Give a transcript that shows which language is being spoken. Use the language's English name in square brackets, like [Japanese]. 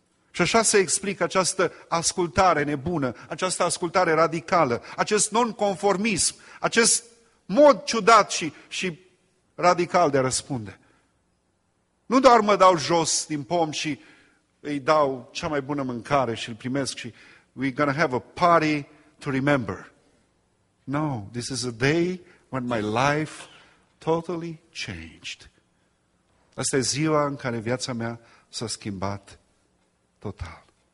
[Romanian] Și așa se explică această ascultare nebună, această ascultare radicală, acest nonconformism, acest mod ciudat și radical de a răspunde. Nu doar mă dau jos din pom și îi dau cea mai bună mâncare și îl primesc și [English] we're gonna have a party to remember. No, this is a day when my life totally changed. [Romanian] Asta e ziua în care viața mea s-a schimbat total.